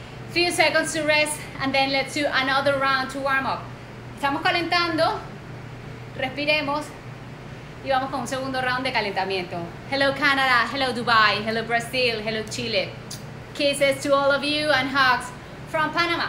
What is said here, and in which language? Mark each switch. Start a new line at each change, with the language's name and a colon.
English: Few seconds to rest, and then let's do another round to warm up.
Spanish: Estamos calentando. Respiremos. Y vamos con un segundo round de calentamiento.
English: Hello, Canada. Hello, Dubai. Hello, Brazil. Hello, Chile. Kisses to all of you and hugs from Panama.